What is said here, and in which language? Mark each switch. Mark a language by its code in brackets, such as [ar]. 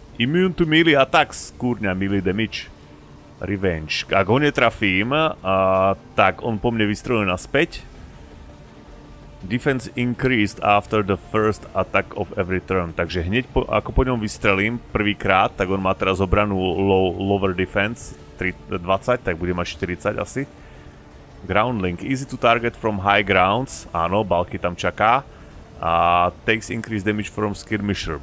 [en] Immune to melee attacks. Kúrňa, melee damage. Revenge. [sk] Ak ho netrafím, tak on po mne vystrojuje naspäť. [en] Defense increased after the first attack of every turn. [sk] Takže hneď po, ako po ňom vystrelím prvýkrát, tak on má teraz obranu [en] lower defense [sk] 20, tak bude mať 40 asi. [en] Groundlink. Easy to target from high grounds. [sk] Áno, Balky tam čaká. [en] Takes increased damage from skirmisher.